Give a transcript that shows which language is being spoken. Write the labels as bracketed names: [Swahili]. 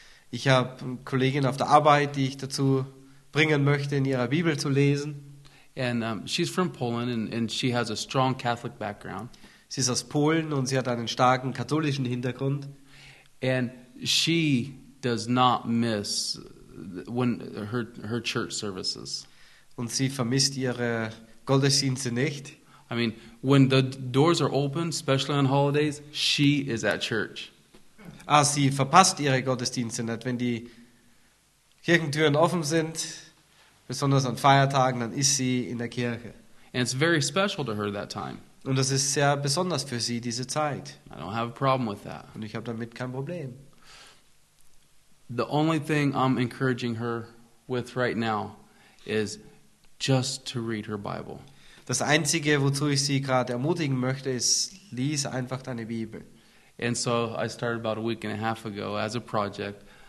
[German] Ich habe eine Kollegin auf der Arbeit, die ich dazu bringen möchte, in ihrer Bibel zu lesen. [English] And she's from Poland and she has a strong Catholic background. [German] Sie ist aus Polen und sie hat einen starken katholischen Hintergrund. [English] And she does not miss when her church services. [German] Und sie vermisst ihre Gottesdienste nicht. [English] I mean, when the doors are open, especially on holidays, she is at church. [German] Ah, sie verpasst ihre Gottesdienste nicht. Wenn die Kirchentüren offen sind, besonders an Feiertagen, dann ist sie in der Kirche. [English] And it's very special to her that time. [German] Und das ist sehr besonders für sie, diese Zeit. [English] I don't have a problem with that. [German] Und ich habe damit kein Problem. [English] The only thing I'm encouraging her with right now is just to read her Bible. [German] Das Einzige, wozu ich sie gerade ermutigen möchte, ist, lies einfach deine Bibel. [English] And so I started about a week and a half ago as a project.